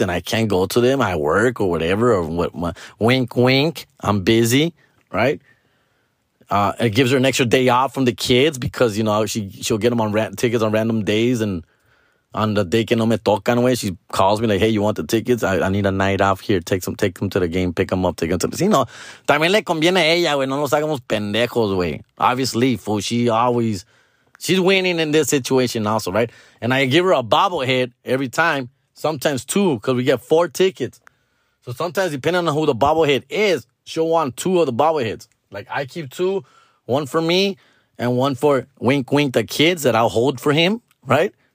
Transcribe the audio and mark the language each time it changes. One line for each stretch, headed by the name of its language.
English: And I can't go to them. I work or whatever. Wink, wink. I'm busy. Right? It gives her an extra day off from the kids. Because, you know, she'll get them on tickets on random days. And on the day
Spanish: que no me tocan
English: way, she calls me like, hey, you want the tickets? I need a night off here. Take them to the game. Pick them up. Take them to the casino.
Spanish: También le conviene a ella, güey. No nos hagamos pendejos, güey.
English: Obviously, fool. She's winning in this situation also, right? And I give her a bobblehead every time. Sometimes two, because we get four tickets. So sometimes, depending on who the bobblehead is, she'll want two of the bobbleheads. Like, I keep two. One for me and one for, wink, wink, the kids that I'll hold for him, right?